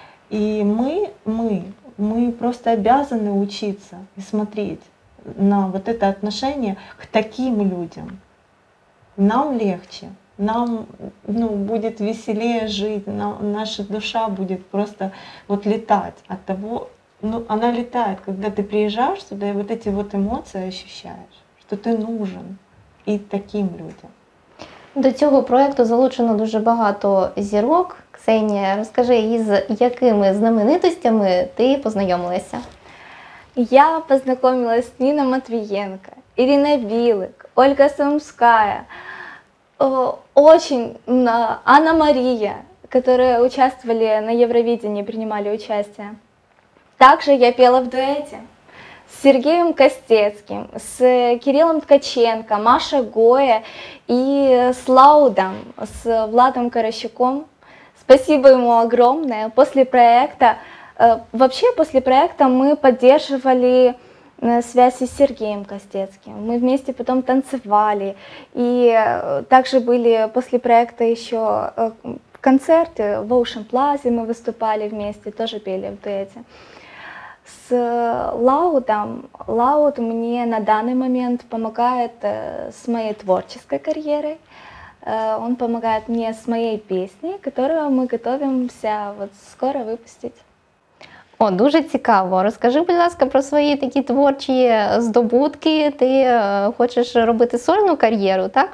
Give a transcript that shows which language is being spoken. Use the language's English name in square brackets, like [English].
[Russian] И мы просто обязаны учиться и смотреть на вот это отношение к таким людям. Нам легче. Нам, ну, будет веселее жить, наша душа будет просто вот летать от того, ну, она летает, когда ты приезжаешь сюда и вот эти вот эмоции ощущаешь, что ты нужен и таким людям. [Ukrainian] До цього проекту залучено дуже багато зірок. Ксенія, розкажи, із якими знаменитостями ти познайомилася? Я познайомилася з Ніною Матвієнко, Іриною Білик, Ольгою Самскою. [Russian] Очень Анна Мария, которые участвовали на Евровидении, принимали участие. Также я пела в дуэте с Сергеем Костецким, с Кириллом Ткаченко, Маша Гоя и с Лаудом, с Владом Карощуком. Спасибо ему огромное. После проекта, вообще после проекта мы поддерживали связь с Сергеем Костецким. Мы вместе потом танцевали. И также были после проекта еще концерты в Ocean Plaza. Мы выступали вместе, тоже пели в дуэте. С Лаудом. Лауд мне на данный момент помогает с моей творческой карьерой. Он помогает мне с моей песней, которую мы готовимся вот скоро выпустить. [Ukrainian] О, дуже цікаво. Розкажи, будь ласка, про свої такі творчі здобутки. Ти хочеш робити сольну кар'єру, так?